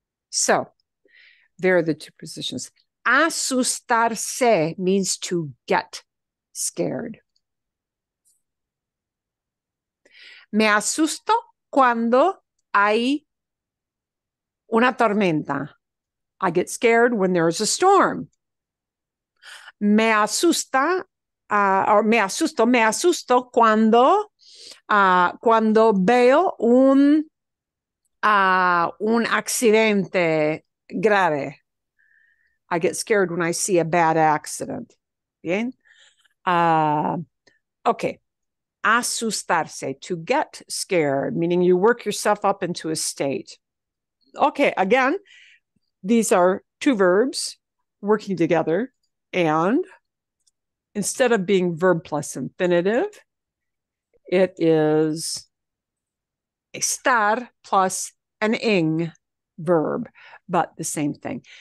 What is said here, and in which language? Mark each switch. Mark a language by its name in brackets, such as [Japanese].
[English] So, there are the two positions. Asustarse means to get scared. [Spanish] Me asusto cuando hay una tormenta. [English] I get scared when there is a storm. [Spanish] Me asusta, or me asusto cuando, cuando veo un accidente grave. [English] I get scared when I see a bad accident. Bien. Okay. Asustarse, to get scared, meaning you work yourself up into a state. Okay, again, these are two verbs working together, and instead of being verb plus infinitive, it is estar plus an ing verb, but the same thing.